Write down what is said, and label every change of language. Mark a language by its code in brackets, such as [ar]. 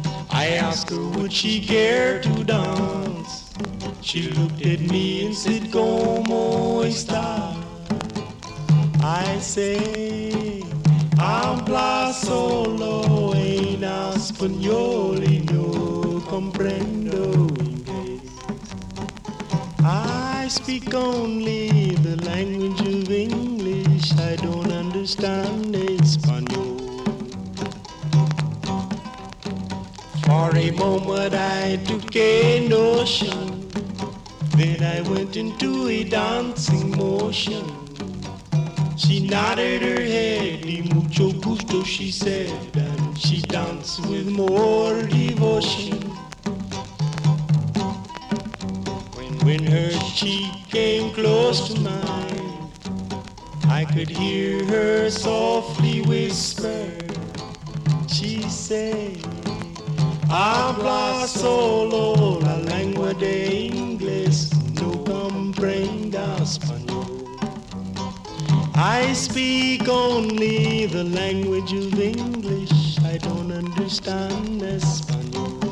[en] I asked her would she care to dance. She looked at me and said, [es] como esta? I say, habla solo en español y no comprendo inglés. [en] I speak only the language of English, I don't understand español. For a moment I took a notion, then I went into a dancing motion. She nodded her head, [es] ni mucho gusto, [en] she said, and she danced with more devotion. When her cheek came close to mine, I could hear her softly whisper. [es] She said, habla solo la lengua de inglés, no comprenda español. [en] I speak only the language of English, I don't understand Espanol.